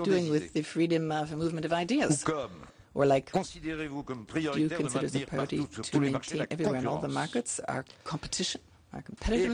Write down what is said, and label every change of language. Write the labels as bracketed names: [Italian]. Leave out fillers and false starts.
[English] what are you doing with the freedom of a movement of ideas? [French] Ou comme, [English] or like, [French] considérez-vous comme prioritaire de maintenir partout sur tous les marchés la [English] everywhere in all the markets our competition, our competitors,